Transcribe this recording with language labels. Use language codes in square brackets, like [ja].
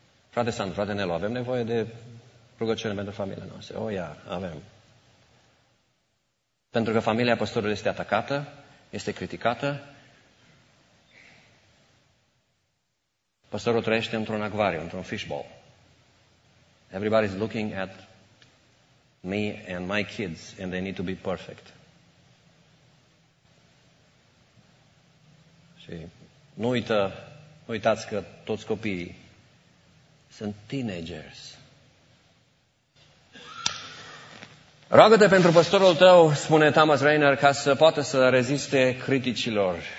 [ro] Frate Sandu, frate Nelu, avem nevoie de rugăciune pentru familia noastră? O, ia, avem. Pentru că familia păstorului este atacată, este criticată. Păstorul trăiește într-un acvariu, într-un fishbowl. [en] Everybody's looking at me and my kids and they need to be perfect. [ro] Și nu uită, nu uitați că toți copiii sunt teenagers. Roagă-te pentru păstorul tău, spune Thomas Rainer, ca să poată să reziste criticilor.